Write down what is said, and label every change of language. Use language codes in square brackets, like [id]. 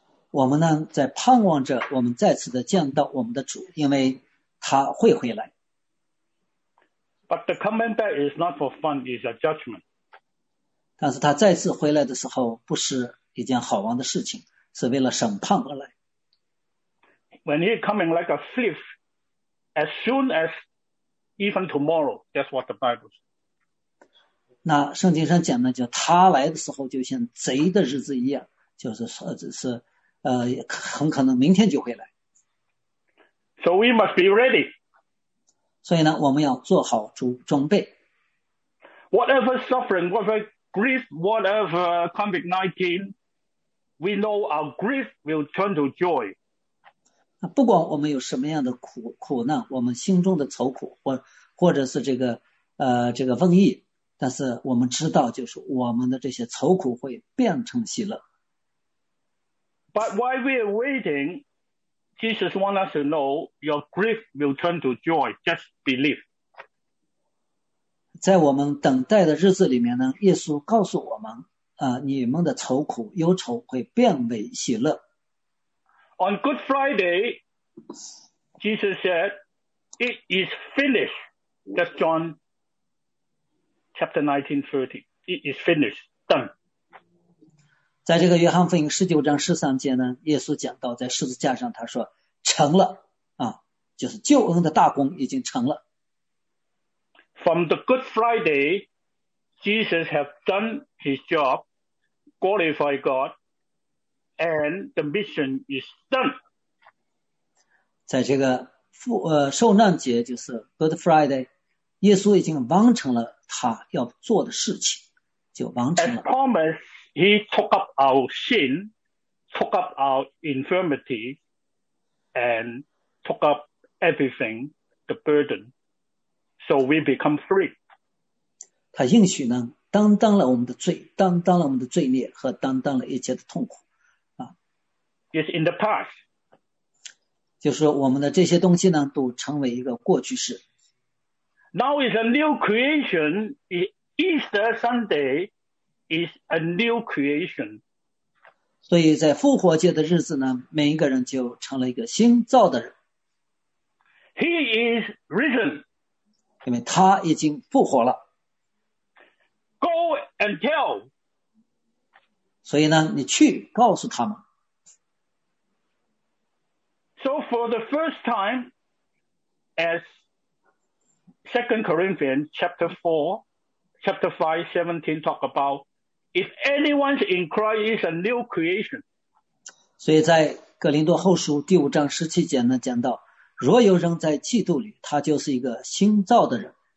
[zh] 我们呢在盼望着我们再次的见到我们的主，因为他会回来。 [en] But the coming back is not for fun; it's a judgment. [zh] 但是他再次回来的时候，不是一件好玩的事情，是为了审判而来。 [en] When He's coming like a thief, as soon as even tomorrow, that's what the Bible says. [zh] 那圣经上讲呢，就他来的时候就像贼的日子一样，就是说只是。很可能明天就会来。 [en] So we must be ready. [zh] 所以呢，我们要做好装备。 [en] Whatever suffering, whatever grief, whatever COVID-19, we know our grief will turn to joy. [zh] 不管我们有什么样的苦难，我们心中的愁苦，或者是这个瘟疫，但是我们知道，就是我们的这些愁苦会变成喜乐。 [en] But while we are waiting, Jesus wants us to know your grief will turn to joy. Just believe. [zh] 在我们等待的日子里面呢，耶稣告诉我们，你们的愁苦忧愁会变为喜乐。 [en] On Good Friday, Jesus said, "It is finished." That's John chapter 19:30. It is finished. Done. [zh] 在这个约翰福音19:13呢，耶稣讲到在十字架上，他说成了，就是救恩的大功已经成了。 [en] From the Good Friday, Jesus has done his job, glorified God, and the mission is done. [zh] 在这个受难节，就是 Good Friday, 耶稣已经完成了他要做的事情，就完成了。 [en] As promised,He took up our sin, took up our infirmity, and took up everything, the burden, so we become free. [zh] 他应许呢，担当了我们的罪，担当了我们的罪孽和担当了一切的痛苦， [en] It's in the past. [zh] 就是我们的这些东西呢，都成为一个过去式。 [en] Now is a new creation. Easter Sunday. Is a new creation. [zh] 所以在复活节的日子呢，每一个人就成了一个新造的人。 [en] He is risen. [zh] 因为他已经复活了。 [en] Go and tell. [zh] 所以呢，你去告诉他们。 [en] So for the first time, as 2 Corinthians chapter 5:17 talk about. If anyone's in Christ, is a new creation. [zh] 所以在哥林多后书5:17呢，讲到，若有人在基督里，他就是一个新造的人。